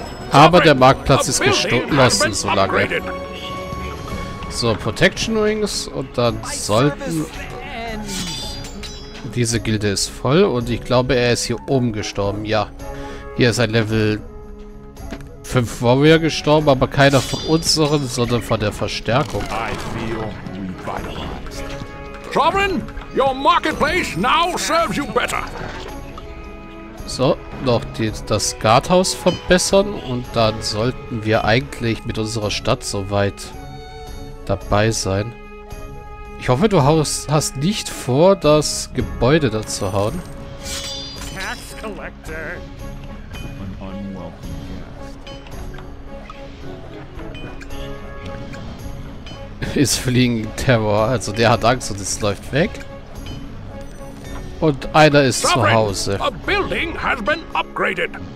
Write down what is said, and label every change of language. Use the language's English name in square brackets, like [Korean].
[German] Aber der Marktplatz ist geschlossen so lange. So, Protection Rings und dann sollten... Diese Gilde ist voll und ich glaube, er ist hier oben gestorben. Ja, hier ist ein Level 5 Warrior gestorben, aber keiner von unseren, sondern von der Verstärkung. [English] Sovereign, your marketplace now serves you better. [German] So, noch das Guardhaus verbessern und dann sollten wir eigentlich mit unserer Stadt soweit dabei sein. Ich hoffe, du hast nicht vor, das Gebäude da zu hauen. [English] Tax Collector. An unwelcome guest. [German] Ist Fliegen Terror, also der hat Angst und es läuft weg. Und einer ist zu Hause. [English] A building has been upgraded.